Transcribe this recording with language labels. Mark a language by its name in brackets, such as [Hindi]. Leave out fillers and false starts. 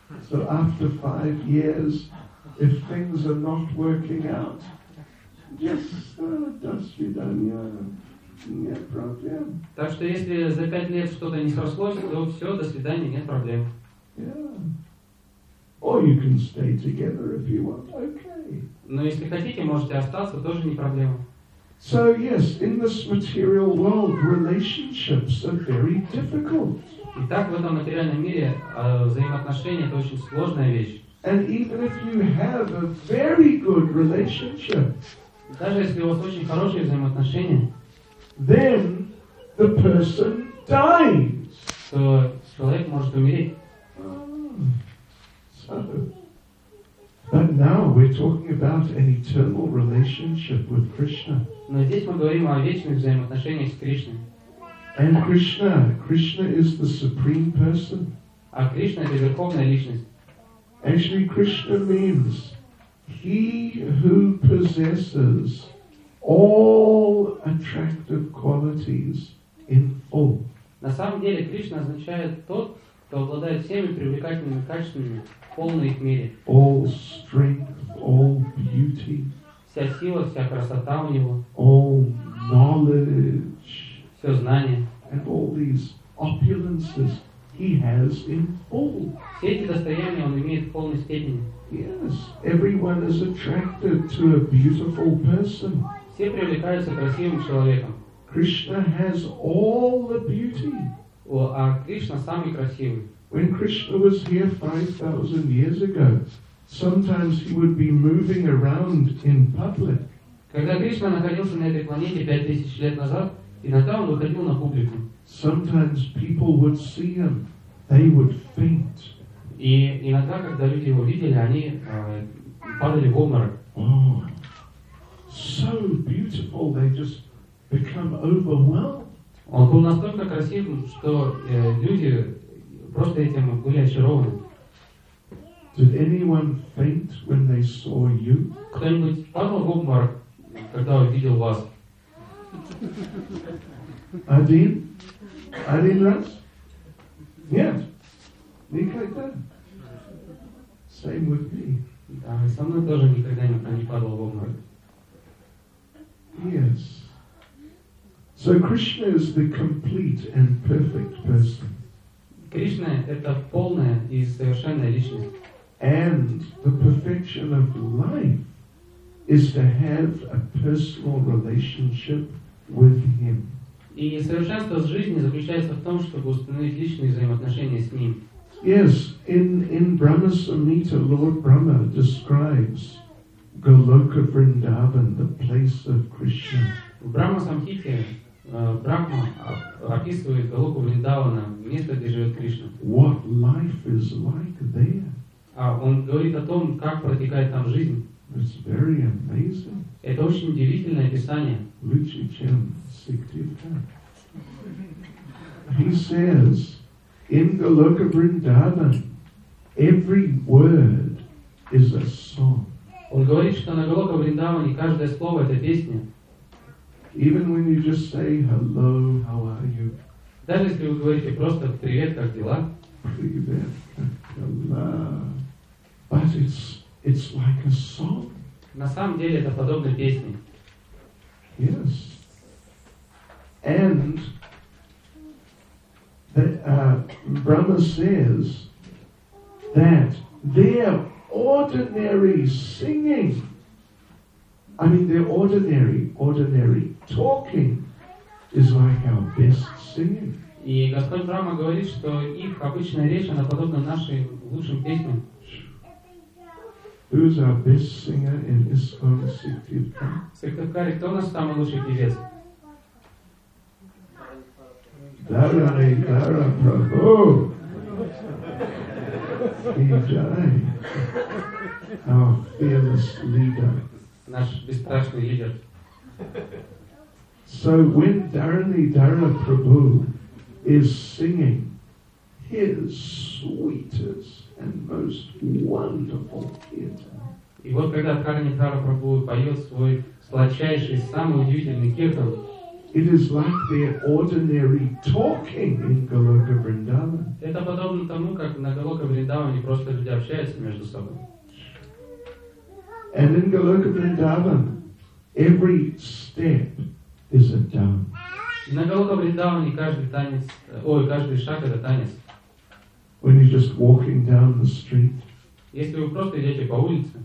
[English] So after 5 years, if things are not working out, just [Russian] до свидания, нет проблем. Так что если за 5 лет что-то не срослось, то все, до свидания, нет проблем. [English] Yeah. Or you can stay together if you want. Okay. [Russian] Но если хотите, можете остаться, тоже не проблема. [English] So yes, in this material world, relationships are very difficult. [Russian] Итак, в этом материальном мире взаимоотношения это очень сложная вещь. [English] And even if you have a very good relationship, [Russian] даже если у вас очень хорошие взаимоотношения, [English] then the person dies. [Russian] То человек может умереть. [English] So, but now we're talking about an eternal relationship with Krishna. [Russian] Но здесь мы говорим о вечных взаимоотношениях с Кришной. [English] And Krishna is the Supreme Person. [Russian] А Кришна это верховная личность. [English] Actually, Krishna means he who possesses all attractive qualities in full. [Russian] На самом деле Кришна означает тот, кто обладает всеми привлекательными качествами в полной их мере. [English] All strength, all beauty. [Russian] Вся сила, вся красота у него. [English] All knowledge. [Russian] Все знание. [English] And all these opulences he has in full. [Russian] Все эти достояния он имеет в полной степени. [English] Yes, everyone is attracted to a beautiful person. [Russian] Все привлекаются красивым человеком. [English] Krishna has all the beauty. [Russian] А Кришна самый красивый. [English] When Krishna was here 5,000 years ago, sometimes he would be moving around in public. [Russian] Когда Кришна находился на этой планете 5000 лет назад, иногда он выходил на публику. [English] Sometimes people would see him, they would faint. [Russian] И иногда, когда люди его видели, они падали в обморок. [English] So beautiful, they just become overwhelmed. [Russian] Он был настолько красив, что люди просто этим были очарованы. [English] Did anyone faint when they saw you? [Russian] Кто-нибудь падал в обморок, когда увидел вас? Один? Один раз? Нет. Никогда. [English] Same with me. [Russian] Да, со мной тоже никогда никто не падал в обморок. [English] Yes. So Krishna is the complete and perfect person. [Russian] Кришна это полная и совершенная личность. [English] And the perfection of life is to have a personal relationship with him. [Russian] И совершенство жизни заключается в том, чтобы установить личные взаимоотношения с ним. [English] Yes, in Brahma Samhita, Lord Brahma describes Goloka Vrindavan, the place of Krishna. [Russian] Brahma Samhita, Brahma описывает Голоку Вриндавана, место, где живет Кришна. [English] What life is like there? [Russian] А он говорит о том, как протекает там жизнь. [English] It's very amazing. [Russian] Это очень удивительное описание. Лучше, чем Сиктивка. [English] He says, in Goloka Vrindavan, every word is a song. [Russian] Он говорит, что на Голока Вриндаване каждое слово это песня. [English] Even when you just say hello, how are you? [Russian] Даже если вы говорите просто привет, как дела? [English] Привет, hello. But it's like a song. [Russian] На самом деле это подобно песне. [English] Yes. And Brahma says that there. Ordinary singing. I mean, their ordinary talking is like our best singing. [Russian] И Господь Брама говорит, что их обычная речь она подобна нашим лучшим песням. [English] Who's our best singer in ISKCON Сыктывкаре? [Russian] Сыктывкаре, кто у нас самый лучший певец? [English] Дарай, Дара, Прабху. Vijay, our fearless leader. [Russian] Наш бесстрашный лидер. [English] So when Dharani Dara Prabhu is singing his sweetest and most wonderful kirtan. [Russian] И вот когда Dharani Dara Prabhu поет свой сладчайший, самый удивительный киртан, [English] it is like the ordinary talking in Goloka Vrindavan. [Russian] Это подобно тому, как на Голока Вриндаване просто люди общаются между собой. [English] And in Goloka Vrindavan, every step is a dance. [Russian] На Голока Вриндаване каждый шаг это танец. [English] When you're just walking down the street. [Russian] Если вы просто идете по улице.